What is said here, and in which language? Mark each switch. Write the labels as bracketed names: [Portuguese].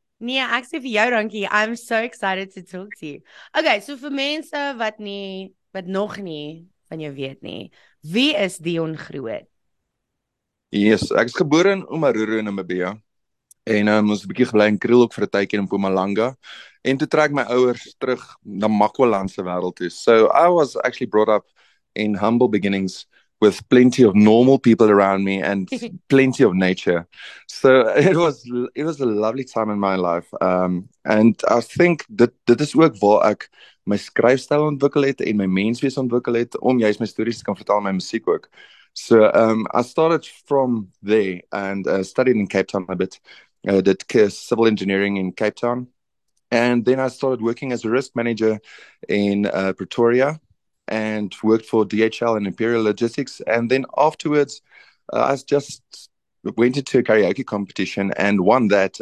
[Afrikaans] Nee, ek sê vir jou dankie. [English] I'm so excited to talk to you. [Afrikaans] Okay, so vir mense wat nog nie van jou weet nie, wie is Deon Groot? Yes, ek is gebore in Omaruru in Namibia. En ons het 'n bietjie gebly in Krielhoek vir 'n tydjie in Mpumalanga. En toe trek my ouers terug na Makwaland se wêreld toe. [English] So I was actually brought up in humble beginnings with plenty of normal people around me and plenty of nature. So it was a lovely time in my life. And I think [Afrikaans] dit is ook waar ek my skryfstyl ontwikkel het en my menswees ontwikkel het om juist my stories te kan vertel in my musiek ook. [English] So I started from there and studied in Cape Town a bit. Did civil engineering in Cape Town. And then I started working as a risk manager in Pretoria. And worked for DHL and Imperial Logistics. And then afterwards, I just went into a karaoke competition and won that.